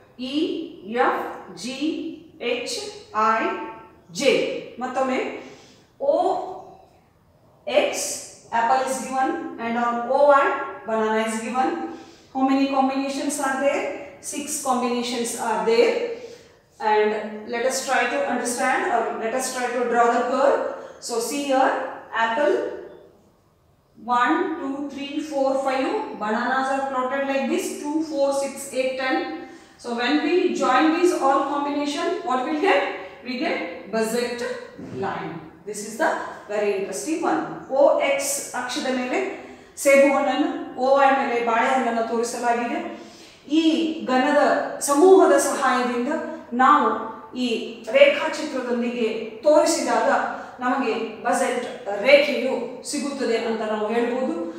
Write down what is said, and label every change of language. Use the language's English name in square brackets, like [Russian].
[English] E F G H I J ಮತ್ತೊಮ್ಮೆ O X apple is given and on O I banana is given. How many combinations are there? 6 combinations are there. And let us try to understand or let us try to draw the curve. So see here apple 1, 2, 3, 4, 5 bananas are plotted like this 2, 4, 6, 8, 10. So when we join these all combination, what we'll get? We get bajet line. This is the very interesting one. [Kannada] OX ಅಕ್ಷದ ಮೇಲೆ ಸೇಬು ಹಣ್ಣನ್ನು, OY ಮೇಲೆ ಬಾಳೆಹಣ್ಣನ್ನು ತೋರಿಸಲಾಗಿದೆ. ಈ ಘನದ ಸಮೂಹದ ಸಹಾಯದಿಂದ ನಾವು ಈ ರೇಖಾಚಿತ್ರದೊಂದಿಗೆ ತೋರಿಸಿದಾಗ ನಮಗೆ ಬಜೆಟ್ ರೇಖೆಯು ಸಿಗುತ್ತದೆ ಅಂತ ನಾವು ಹೇಳಬಹುದು.